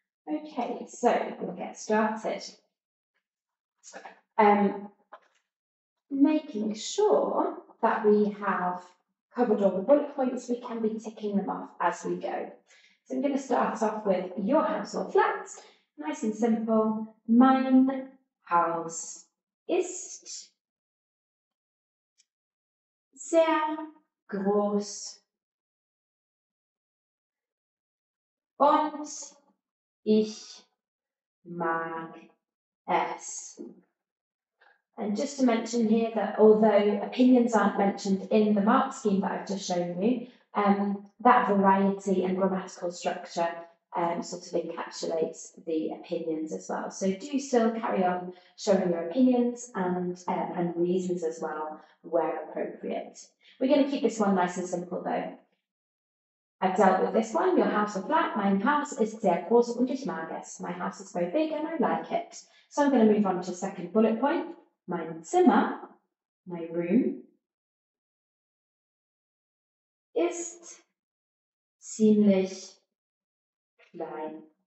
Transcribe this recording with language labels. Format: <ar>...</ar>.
<en>Okay, so we'll get started. Making sure that we have covered all the bullet points, we can be ticking them off as we go. So I'm going to start off with your house or flat. Nice and simple.</en> <de>Mein Haus ist sehr groß und ich mag es.</de> <en>And just to mention here that although opinions aren't mentioned in the mark scheme that I've just shown you, that variety and grammatical structure sort of encapsulates the opinions as well. So do still carry on showing your opinions and reasons as well where appropriate. We're going to keep this one nice and simple though. I've dealt with this one, your house or flat.</en> <de>Mein Haus ist sehr groß und ich mag es.</de> <en>My house is very big and I like it. So I'm going to move on to the second bullet point.</en> <de>Mein Zimmer,</de> <en>my room,</en> <de>ist ziemlich klein.</de>